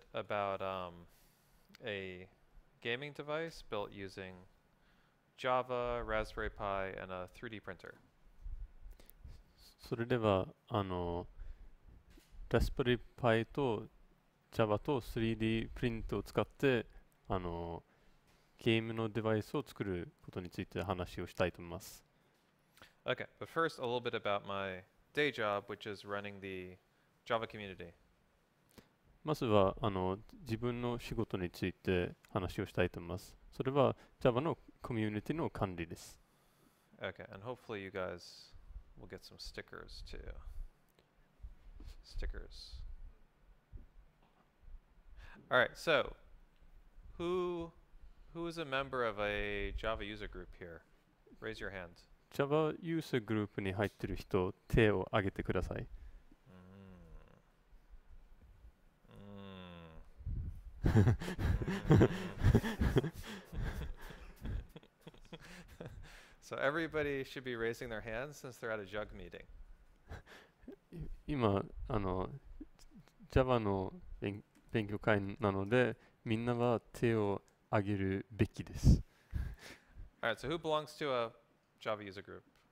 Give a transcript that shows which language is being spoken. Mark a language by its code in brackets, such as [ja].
[en] about a gaming device built using Java, Raspberry Pi, and a 3D printer. [ja] それでは、ラスベリーパイと Java と 3D プリントを使って、ゲームのデバイスを作ることについて話をしたいと思います。 [en] Okay, but first a little bit about my day job, which is running the Java community. [ja] まずは、自分の仕事について話をしたいと思います。それは Java のコミュニティの管理です。 [en] Okay, and hopefully you guys will get some stickers too. Stickers. All right, so who is a member of a Java user group here? Raise your hand. [ja] Java ユースグループに入ってる人、手を挙げてください。 [en] So everybody should be raising their hands since they're at a JUG meeting. [ja] 今、Java の勉強会なので、みんなは手を挙げるべきです。 [en] All right, so who belongs to a Java user group?